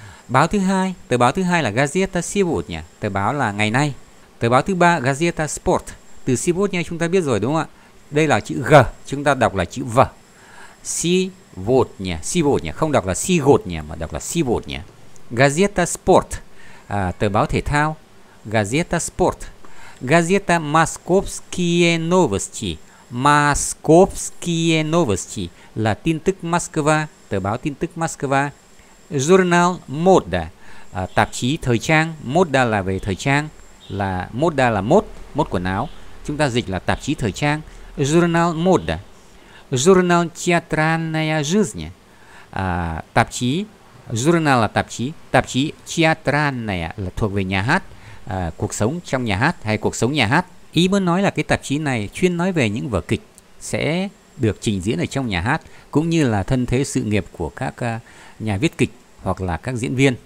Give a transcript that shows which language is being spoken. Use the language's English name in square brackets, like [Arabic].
[Vietnamese] Báo thứ hai, tờ báo thứ hai là [Russian] газета сегодня, [Vietnamese] tờ báo là ngày nay. Тờ báo thứ ba, [Russian] газета спорт. [Vietnamese] Từ сегодня chúng ta biết rồi đúng không ạ? Đây là chữ G, chúng ta đọc là chữ V. Сегодня, không đọc là сегодня mà đọc là сегодня. [Russian] Газета спорт, [Vietnamese] tờ báo thể thao. [Russian] Газета спорт. Газета московские новости. Московские новости [Vietnamese] là tin tức Moscow, tờ báo tin tức Moscow. [Russian] Журнал мода, [Vietnamese] tạp chí thời trang. Мода là về thời trang, là мода là мод quần áo. Chúng ta dịch là tạp chí thời trang. [Russian] Журнал мода. Журнал театральная жизнь, [Vietnamese] tạp chí. Журнал là tạp chí. Tạp chí театральная là thuộc về nhà hát, cuộc sống trong nhà hát hay cuộc sống nhà hát. Ý muốn nói là cái tạp chí này chuyên nói về những vở kịch sẽ được trình diễn ở trong nhà hát, cũng như là thân thế sự nghiệp của các nhà viết kịch hoặc là các diễn viên.